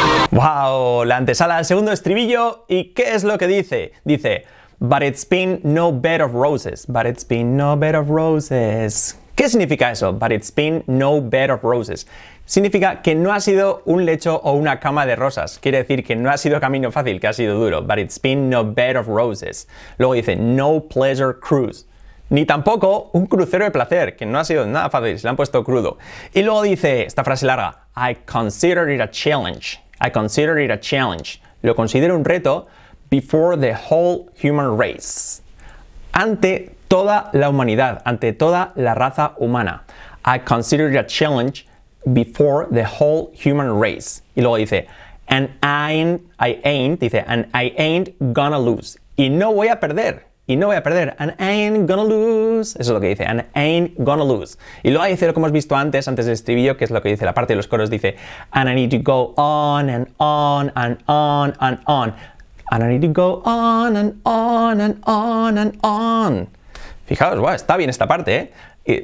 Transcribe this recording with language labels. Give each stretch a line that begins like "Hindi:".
Spanish: ¡Wow! La antesala al segundo estribillo. ¿Y qué es lo que dice? Dice,
English: but it's been no bed of roses. But it's been no bed of roses.
Spanish: ¿Qué significa eso?
English: But it's been no bed of roses.
Spanish: Significa que no ha sido un lecho o una cama de rosas. Quiere decir que no ha sido camino fácil, que ha sido duro.
English: But it's been no bed of roses.
Spanish: Luego dice,
English: no pleasure cruise.
Spanish: Ni tampoco un crucero de placer, que no ha sido nada fácil, se le han puesto crudo. Y luego dice esta frase larga,
English: I consider it a challenge. I consider it a challenge.
Spanish: Lo considero un reto
English: before the whole human race.
Spanish: Ante toda la humanidad, ante toda la raza humana.
English: I consider it a challenge before the whole human race.
Spanish: Y luego dice,
English: and I ain't gonna lose.
Spanish: Y no voy a perder. Y no voy a perder.
English: And ain't gonna lose.
Spanish: Eso es lo que dice.
English: And ain't gonna lose.
Spanish: Y luego dice lo que hemos visto antes, antes del estribillo, que es lo que dice la parte de los coros. Dice,
English: and I need to go on and on and on and on. And I need to go on and on and on and on.
Spanish: Fijaos, wow, está bien esta parte, ¿eh?